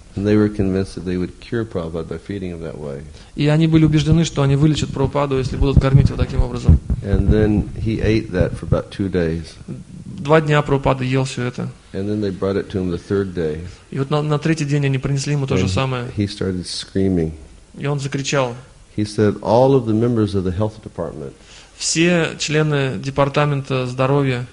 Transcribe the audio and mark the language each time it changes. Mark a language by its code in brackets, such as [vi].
[en] And they were convinced that they would cure Prabhupada by feeding him that way. [ru] И они были убеждены, что они вылечат Прабхупаду, если будут кормить его таким образом. [en] And then he ate that for about 2 days. [ru] 2 дня Прабхупада ел все это. [en] And then they brought it to him the third day. [ru] И вот на третий день они принесли ему то же самое. [en] He started screaming. [ru] И он закричал. [en] He said, all of the members of the health department. [ru] Все члены департамента здоровья.